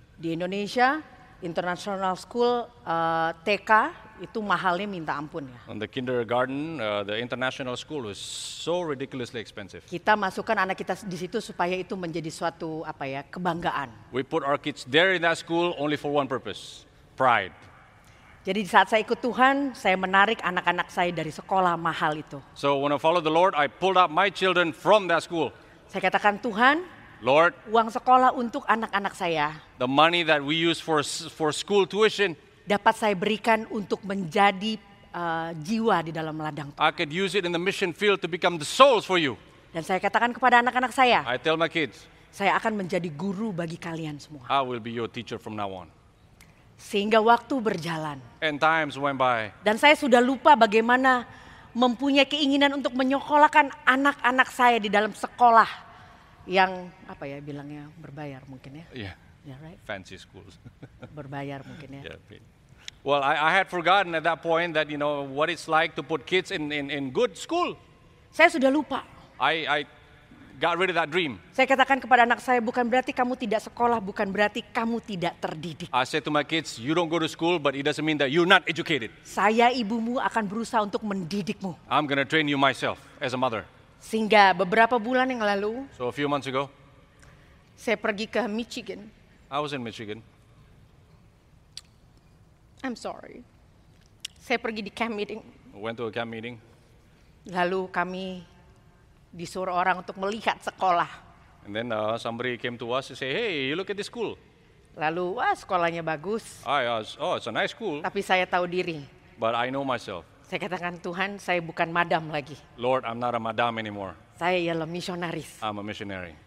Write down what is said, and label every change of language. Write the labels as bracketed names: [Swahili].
[Indonesian] Di Indonesia, international school TK itu mahalnya minta ampun ya. [English] On the kindergarten, the international school is so ridiculously expensive. [Indonesian] Kita masukkan anak kita di situ supaya itu menjadi suatu apa ya, kebanggaan. [English] We put our kids there in that school only for one purpose, pride. [Indonesian] Jadi di saat saya ikut Tuhan, saya menarik anak-anak saya dari sekolah mahal itu. [English] So when I followed the Lord, I pulled up my children from that school. [Indonesian] Saya katakan Tuhan, [English] Lord, [Indonesian] uang sekolah untuk anak-anak saya, [English] the money that we use for school tuition, [Indonesian] dapat saya berikan untuk menjadi jiwa di dalam ladang. [English] I could use it in the mission field to become the souls for you. [Indonesian] Dan saya katakan kepada anak-anak saya, [English] I tell my kids, [Indonesian] saya akan menjadi guru bagi kalian semua. [English] I will be your teacher from now on. [Indonesian] Sehingga waktu berjalan. [English] And times went by. [Indonesian] Dan saya sudah lupa bagaimana mempunyai keinginan untuk menyekolahkan anak-anak saya di dalam sekolah yang apa ya bilangnya berbayar mungkin ya. [English] Yeah. Yeah, right. Fancy schools. [Indonesian] Berbayar mungkin ya. [English] Yeah. Well, I had forgotten at that point that you know what it's like to put kids in good school. [Indonesian] Saya sudah lupa. [English] I got rid of that dream. [Indonesian] Saya katakan kepada anak saya, bukan berarti kamu tidak sekolah, bukan berarti kamu tidak terdidik. [English] I said to my kids, you don't go to school, but it doesn't mean that you're not educated. [Indonesian] Saya ibumu akan berusaha untuk mendidikmu. [English] I'm gonna train you myself as a mother. [Indonesian] Sehingga beberapa bulan yang lalu. [English] So a few months ago. [Indonesian] Saya pergi ke Michigan. [English] I was in Michigan. I'm sorry. [Indonesian] Saya pergi di camp meeting. [English] Went to a camp meeting. [Indonesian] Lalu kami disuruh orang untuk melihat sekolah. [English] And then somebody came to us and say, hey, you look at this school. [Indonesian] Lalu, wah sekolahnya bagus. [English] Oh, it's a nice school. [Indonesian] Tapi saya tahu diri. [English] But I know myself. [Indonesian] Saya katakan, Tuhan, saya bukan madam lagi. [English] Lord, I'm not a madam anymore. [Indonesian] Saya ialah misionaris. [English] I'm a missionary.